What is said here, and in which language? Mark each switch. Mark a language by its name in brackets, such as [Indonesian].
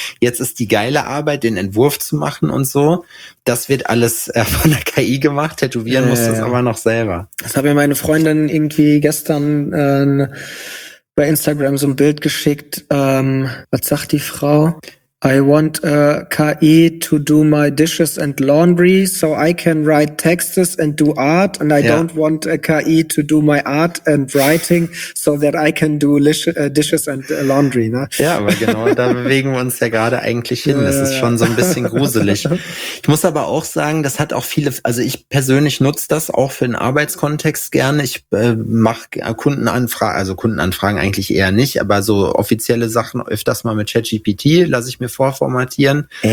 [German] Jetzt ist die geile Arbeit, den Entwurf zu machen und so. Das wird alles von der KI gemacht. Tätowieren muss das aber noch selber. Das habe ja meine Freundin irgendwie gestern bei Instagram so ein Bild geschickt. Was sagt die Frau? [English] I want a KI to do my dishes and laundry so I can write texts and do art. And I don't want a KI to do my art and writing so that I can do dishes and laundry. [German] Ne? Ja, aber genau, da bewegen wir uns ja gerade eigentlich hin. Das ist schon so ein bisschen gruselig. Ich muss aber auch sagen, das hat auch viele, also ich persönlich nutze das auch für den Arbeitskontext gerne. Ich mache Kundenanfragen eigentlich eher nicht, aber so offizielle Sachen öfters mal mit ChatGPT lasse ich mir vorformatieren.